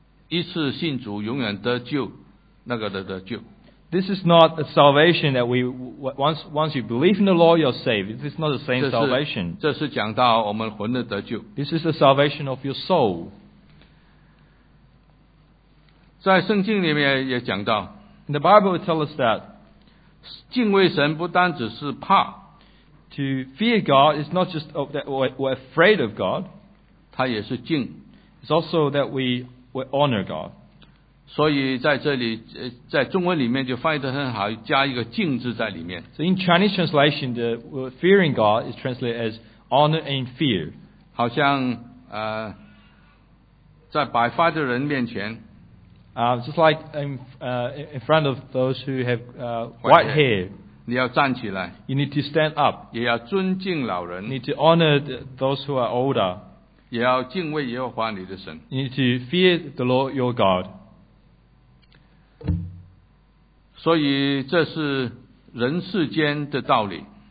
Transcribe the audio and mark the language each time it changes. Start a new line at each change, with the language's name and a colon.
Chinese: 一次信主永远得救，那个得救。
English: This is not a salvation that once you believe in the Lord, you're saved. This is not the same salvation.
Chinese: 这是讲到我们魂的得救。
English: This is the salvation of your soul.
Chinese: 在圣经里面也讲到。
English: In the Bible, it tells us that
Chinese: 敬畏神不单只是怕。
English: To fear God is not just that we're afraid of God.
Chinese: 他也是敬。
English: It's also that we honor God.
Chinese: 所以在这里，在中文里面就翻译得很好，加一个敬字在里面。
English: So in Chinese translation, the fearing God is translated as honor and fear.
Chinese: 好像在白发的人面前。
English: Just like in front of those who have white hair.
Chinese: 你要站起来。
English: You need to stand up.
Chinese: 也要尊敬老人。
English: You need to honor those who are older.
Chinese: 也要敬畏耶和华你的神。
English: You need to fear the Lord your God.
Chinese: 所以这是人世间的道理。